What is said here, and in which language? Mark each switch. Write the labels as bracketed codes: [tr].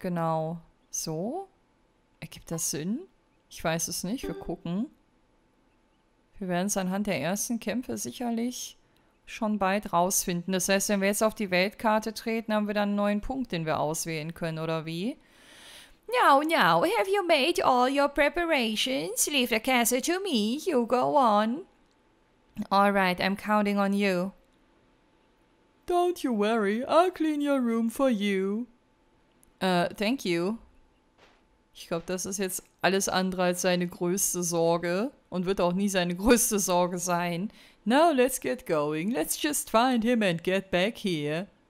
[de] Genau. So? Ergibt das Sinn? Ich weiß es nicht. Wir gucken. Wir werden es anhand der ersten Kämpfe sicherlich schon bald rausfinden. Das heißt, wenn wir jetzt auf die Weltkarte treten, haben wir dann einen neuen Punkt, den wir auswählen können, oder wie? [en] Now, now, have you made all your preparations? Leave the castle to me. You go on. All right, I'm counting on you. Don't you worry, I'll clean your room for you. Thank you. [de] Ich glaube, das ist jetzt alles andere als seine größte Sorge und wird auch nie seine größte Sorge sein. [en] Now let's get going. Let's just find him and get back here.